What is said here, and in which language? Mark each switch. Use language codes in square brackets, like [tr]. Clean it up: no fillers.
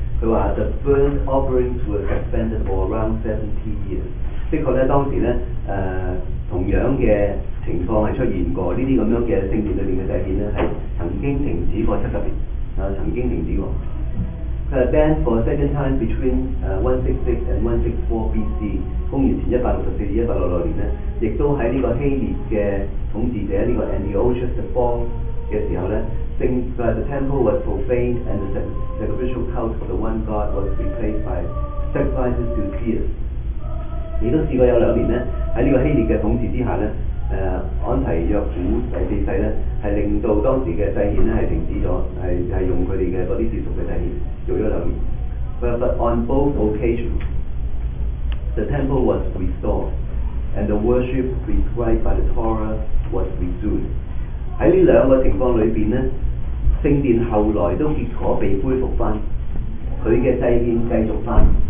[yue] 佢話 [en] ：The burnt offerings were suspended for around 70 years。 [yue] 的確咧，當時咧，同樣嘅情況係出現過。呢啲咁樣嘅聖殿裏邊嘅祭獻咧，係曾經停止過70年。啊，曾經停止過。佢係 [en] banned for a second time between 166 and 164 B.C. [yue] 公元前164至166年咧，亦都喺呢個希臘嘅統治者呢個 Antiochus the Fourth 嘅時候咧，聖誒 [en] the temple was profaned and the sacrificial cult of the one God was replaced by sacrifices to Zeus。 [yue] 亦都試過有兩年咧，喺呢個希臘嘅統治之下咧，安提約古第四世咧，係令到當時嘅祭獻咧係停止咗，係用佢哋嘅嗰啲世俗嘅祭獻做咗兩年。 [en] But on both occasions, the temple was restored, and the worship prescribed by the Torah was resumed. [yue] 在这两个情况里面呢，圣殿后来都结果被恢复翻，它的祭献继续翻。